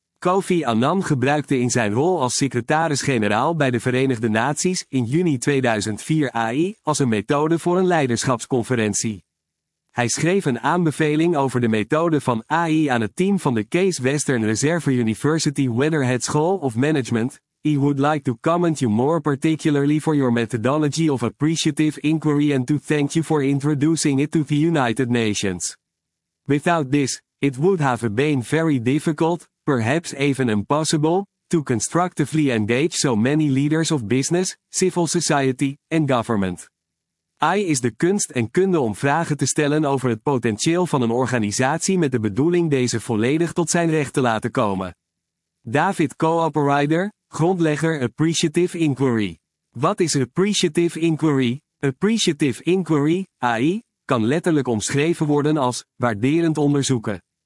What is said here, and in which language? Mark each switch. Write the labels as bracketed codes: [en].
[nl] Kofi Annan gebruikte in zijn rol als secretaris-generaal bij de Verenigde Naties in juni 2004 AI als een methode voor een leiderschapsconferentie. Hij schreef een aanbeveling over de methode van AI aan het team van de Case Western Reserve University Weatherhead School of Management. [en] I would like to comment you more particularly for your methodology of appreciative inquiry and to thank you for introducing it to the United Nations. Without this, it would have been very difficult, perhaps even impossible, to constructively engage so many leaders of business, civil society, and government. [nl] AI is de kunst en kunde om vragen te stellen over het potentieel van een organisatie met de bedoeling deze volledig tot zijn recht te laten komen. David Co-operator, grondlegger Appreciative Inquiry. Wat is Appreciative Inquiry? Appreciative Inquiry, AI, kan letterlijk omschreven worden als waarderend onderzoeken.